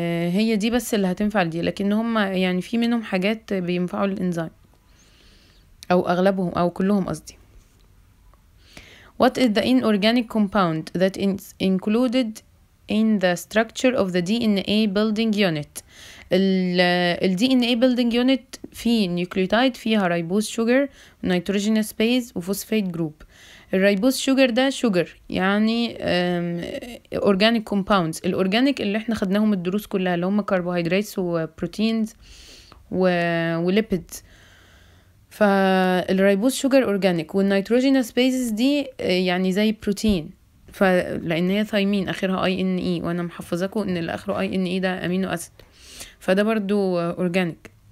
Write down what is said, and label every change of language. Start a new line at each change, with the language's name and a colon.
Arabic: هي دي بس اللي هتنفع دي، لكن هم يعني في منهم حاجات بينفعوا للإنزيم، أو أغلبهم أو كلهم قصدي.
English: What is the inorganic compound that is included in the structure of the DNA building unit؟ ال DNA building unit فيه nucleotide، فيها ribose sugar nitrogenous base وphosphate group. الريبوس sugar ده sugar، يعني organic compounds.
Arabic: الorganic اللي احنا خدناهم الدروس كلها اللي هم carbohydrates وproteins ولipids، فالريبوس sugar organic. والnitrogenous bases دي يعني زي protein، فلان هي ثيمين اخرها INE، وانا محفظاكو ان اللي اخره INE ده امينو اسيد، فده برضو اورجانيك.